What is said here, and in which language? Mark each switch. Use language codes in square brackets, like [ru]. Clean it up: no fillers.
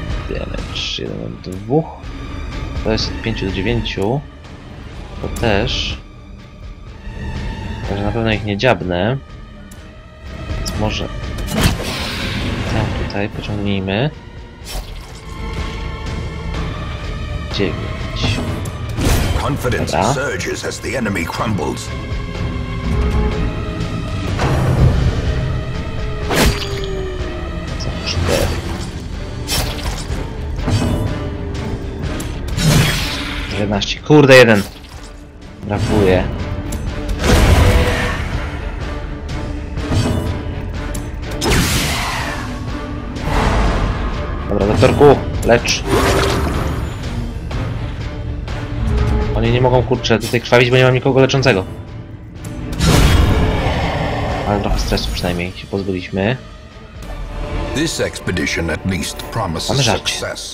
[pl] Damage 1 od 2. To jest od 5 do 9. To też. Także na pewno ich nie dziabnę. Może tam tutaj pociągnijmy. 9. [en] Confidence surges as the enemy crumbles. [pl] Kurde, jeden. Brakuje. Dobra, doktorku, lecz. Oni nie mogą, kurczę, tutaj krwawić, bo nie mam nikogo leczącego. Ale trochę stresu przynajmniej się pozbyliśmy. [en] This expedition at least promises success.